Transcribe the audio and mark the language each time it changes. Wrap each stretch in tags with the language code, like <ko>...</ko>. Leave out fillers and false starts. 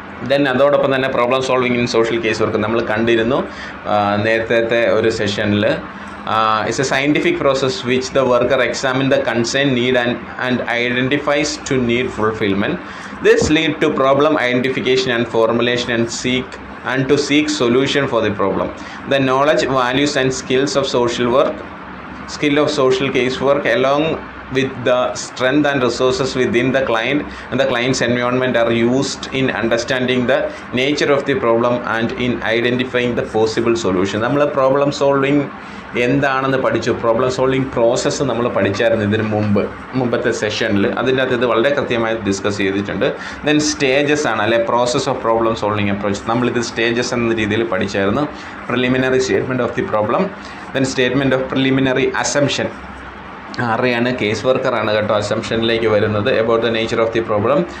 <ml>Then അതോടൊപ്പം തന്നെ problem solving in social case work നമ്മൾ കണ്ടിരുന്നു നേരത്തെ ഒരു സെഷനിൽ.</ml> <en>It's a scientific process which the worker examine the concern need and identifies to need fulfilment. This lead to problem identification and formulation and to seek solution for the problem. The knowledge, values and skills of social work skill of social casework along with the strength and resources within the client and the client's environment are used in understanding the nature of the problem and in identifying the possible solution.</en> <ml>നമ്മൾ problem solving എന്താണെന്ന് പഠിച്ചു, problem solving process നമ്മൾ പഠിച്ചായിരുന്നു ഇതിന് മുമ്പ് മുമ്പത്തെ സെഷനിൽ. അതിൻ്റെ അകത്ത് ഇത് വളരെ കൃത്യമായി ഡിസ്കസ് ചെയ്തിട്ടുണ്ട്. ദെൻ സ്റ്റേജസ് ആണ്, അല്ലെ process of problem solving approach, നമ്മളിത് സ്റ്റേജസ് എന്ന രീതിയിൽ പഠിച്ചായിരുന്നു. Preliminary statement of the problem, then statement of preliminary assumption, ആരെയാണ് കേസ് വർക്കറാണ് കേട്ടോ അസംഷനിലേക്ക് വരുന്നത്</ml> <en>About the nature of the problem.</en>